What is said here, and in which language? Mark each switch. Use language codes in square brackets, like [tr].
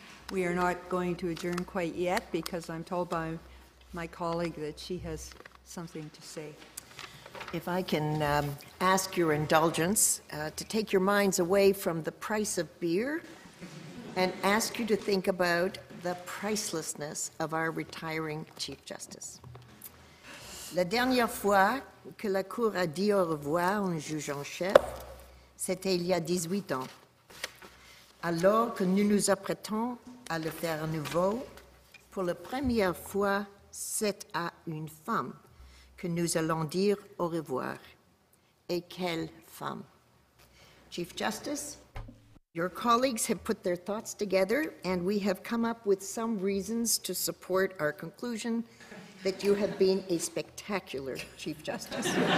[en] We are not going to adjourn quite yet because I'm told by my colleague that she has something to say. If I can ask your indulgence to take your minds away from the price of beer and ask you to think about the pricelessness of our retiring Chief Justice. [fr] La dernière fois que la Cour a dit au revoir à un juge en chef, c'était il y a 18 ans. Alors que nous nous apprêtons à le faire à nouveau, pour la première fois, c'est à une femme que nous allons dire au revoir. Et quelle femme! [en] Chief Justice, your colleagues have put their thoughts together, and we have come up with some reasons to support our conclusion that you have been a spectacular Chief Justice.